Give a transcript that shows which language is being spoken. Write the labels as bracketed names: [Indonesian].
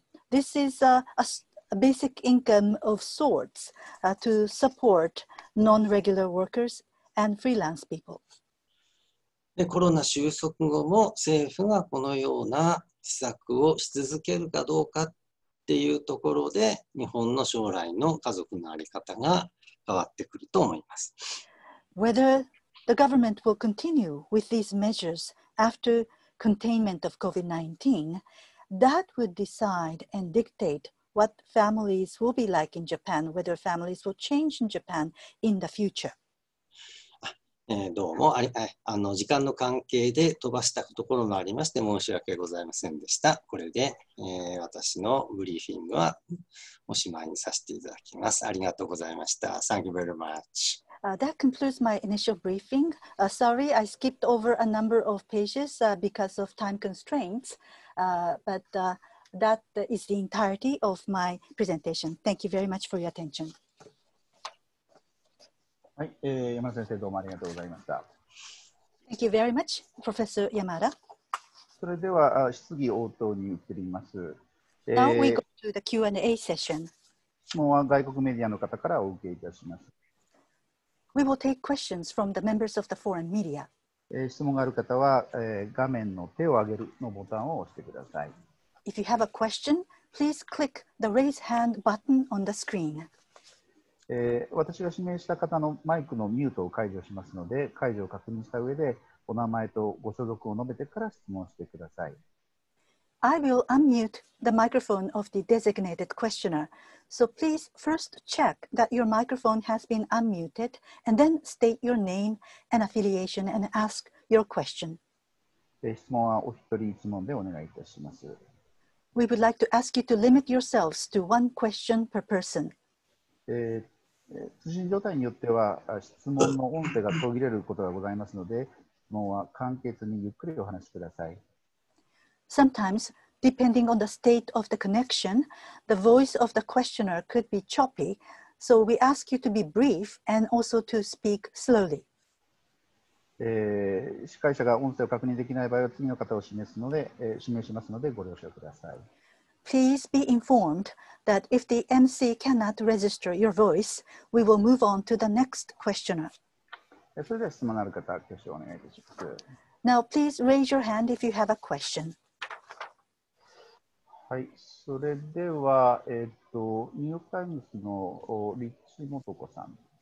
[English] This is a basic income of sorts to support non-regular workers and freelance people. [Japanese] で、コロナ収束後も政府がこのような施策をし続けるかどうかっていうところで日本の将来の家族のあり方が変わってくると思います。 [English] Whether the government will continue with these measures after containment of COVID-19, that would decide and dictate what families will be like in Japan, whether families will change in Japan in the future. [Japanese] どうも、時間の関係で飛ばしたところもありまして申し訳ございませんでした。これで、私のブリーフィングはおしまいにさせていただきます。ありがとうございました。 [English] Thank you very much. That concludes my initial briefing. Sorry, I skipped over a number of pages, because of time constraints. That is the entirety of my presentation. Thank you very much for your attention. [Japanese] はい、山田先生どうもありがとうございました。 [English] Thank you very much, Professor Yamada. [Japanese] それでは質疑応答に移ります。 [English] Now we go to the Q&A session. [Japanese] 質問は外国メディアの方からお受けいたします。 [English] We will take questions from the members of the foreign media. [Japanese] 質問がある方は、画面の手を挙げるのボタンを押してください。 [English] If you have a question, please click the raise hand button on the screen. [Japanese] 私が指名した方のマイクのミュートを解除しますので、解除を確認した上で、お名前とご所属を述べてから質問してください。 [English] I will unmute the microphone of the designated questioner. So please first check that your microphone has been unmuted and then state your name and affiliation and ask your question. [Japanese] 質問はお一人質問でお願いいたします。 [English] We would like to ask you to limit yourselves to one question per person. [Japanese] 通信状態によっては質問の音声が途切れることがございますので、質問は簡潔にゆっくりお話しください。 [English] Sometimes, depending on the state of the connection, the voice of the questioner could be choppy, so we ask you to be brief and also to speak slowly. [Japanese] 司会者が音声を確認できない場合は次の方を示すので、指名しますのでご了承ください。 [English] Please be informed that if the MC cannot register your voice, we will move on to the next questioner. [Japanese] それでは質問のある方、挙手をお願いいたします。 [English] Now, please raise your hand if you have a question. [Japanese] はい、それでは、ニューヨークタイムズのリッチ・モトコさん。